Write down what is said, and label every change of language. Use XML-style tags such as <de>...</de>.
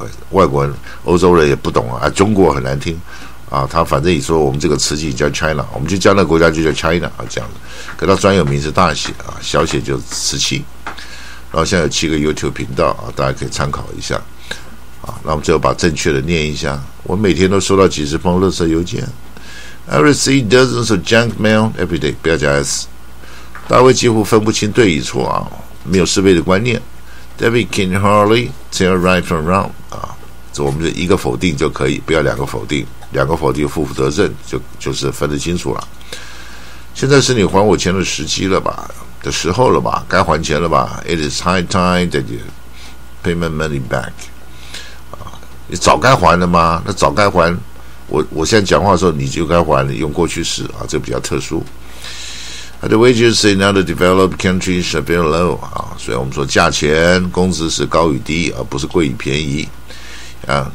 <zh>外国人、欧洲人也不懂啊，中国很难听啊。他反正也说我们这个瓷器叫 China， 我们就叫那个国家就叫 China 啊，这样子。给他专有名字大写啊，小写就瓷器。然后现在有七个 YouTube 频道啊，大家可以参考一下啊。那我们最后把正确的念一下。我每天都收到几十封垃圾邮件</zh> <en>，I receive dozens of junk mail every day。</en> <zh>不要加 S， 大卫几乎分不清对与错啊，没有是非的观念。</zh> <en>David can hardly tell right from wrong</en> <zh>啊，我们就一个否定就可以，不要两个否定，两个否定负负得正，就是分得清楚了。现在是你还我钱的时机了吧？的时候了吧？该还钱了吧</zh> <en>？It is high time that you pay my money back。</en> <zh>你早该还了吗？那早该还，我现在讲话的时候你就该还，你用过去式啊，这比较特殊。</zh> <en>The wages in other developed countries should be low</en> <zh>啊，所以我们说价钱工资是高与低，而不是贵与便宜啊。</zh>